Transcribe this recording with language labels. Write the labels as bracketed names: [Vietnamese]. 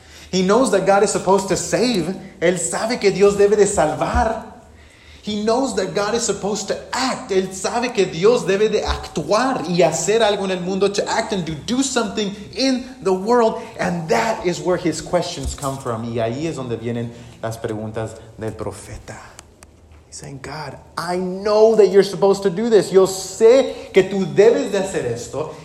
[English] He knows that God is supposed to save. [Spanish] Él sabe que Dios debe de salvar. [English] He knows that God is supposed to act. [Spanish] Él sabe que Dios debe de actuar y hacer algo en el mundo, [English] to act and do something in the world. And that is where his questions come from. [Spanish] Y ahí es donde vienen las preguntas del profeta. [English] He's saying, God, I know that you're supposed to do this. [Spanish] Yo sé que tú debes de hacer esto.